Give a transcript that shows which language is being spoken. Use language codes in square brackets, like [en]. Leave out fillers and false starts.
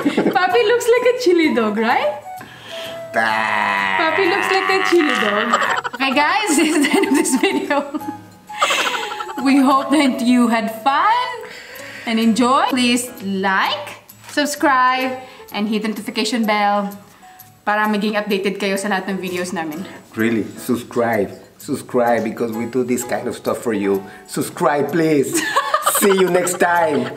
[en] Papi looks like a chili dog, right? Papi looks like a chili dog. Okay guys, this is the end of this video. We hope that you had fun and enjoy. Please like, subscribe, and hit the notification bell. [tl] Para maging updated kayo sa lahat ng videos namin. [en] Really? Subscribe. Subscribe because we do this kind of stuff for you. Subscribe, please. See you next time.